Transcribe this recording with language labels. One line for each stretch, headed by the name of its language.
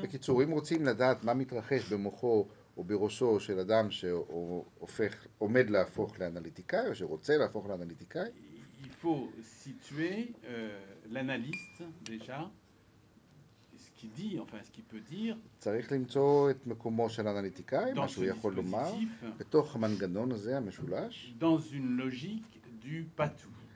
Hebrew: בקיצור, אם רוצים לדעת מה מתרחש במוחו או בראשו של אדם שהופך, עומד להפוך לאנליטיקאי, או שרוצה להפוך לאנליטיקאי?
French: Il faut situer l'analyste déjà, ce qu'il dit, enfin ce qu'il peut dire.
Hebrew: צריך למצוא את מקומו של האנליטיקאי, מה שהוא יכול לומר, בתוך המנגנון הזה, המשולש.
French: Dans une logique du pas tout.